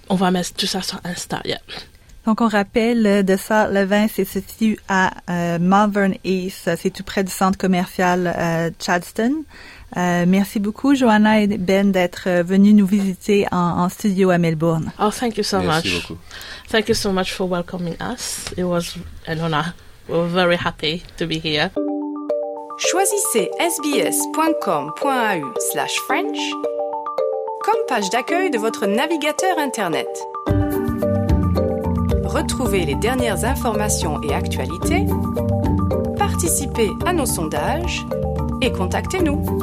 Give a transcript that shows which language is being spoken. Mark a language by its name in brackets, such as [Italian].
[French] On va mettre tout ça sur Insta, yeah. Donc, on rappelle, The Salt Levin, c'est situé à Malvern East. C'est tout près du centre commercial Chadston. Merci beaucoup, Johanna et Ben, d'être venus nous visiter en studio à Melbourne. [English] Oh, thank you so [French] Merci [English] much. [French] Beaucoup. [English] Thank you so much for welcoming us. It was an honor. We're very happy to be here. [French] Choisissez sbs.com.au/french comme page d'accueil de votre navigateur Internet. Retrouvez les dernières informations et actualités, participez à nos sondages et contactez-nous.